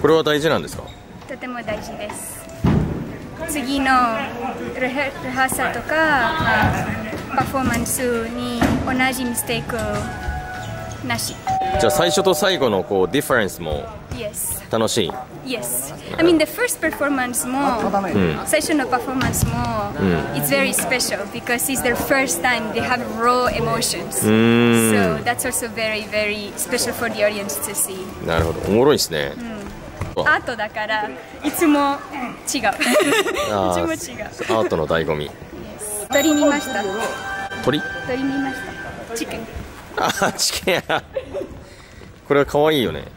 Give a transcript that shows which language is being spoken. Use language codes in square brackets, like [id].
[ja] これは大事なんですか？とても大事です。次のリハーサーとかパフォーマンスに同じミステイクなし。じゃあ最初と最後のこうディファレンスも楽しい？ [en] Yes, I mean the first performance [ja] も最初のパフォーマンスも [en] It's very special because it's their first time they have raw emotions. So that's also very very special for the audience to see. [ja] なるほど、おもろいですね。アートだからいつも違う。いつも違う。アートの醍醐味。鳥見ました。鳥？鳥見ました。チキン。あ、チキンや。これは可愛いよね。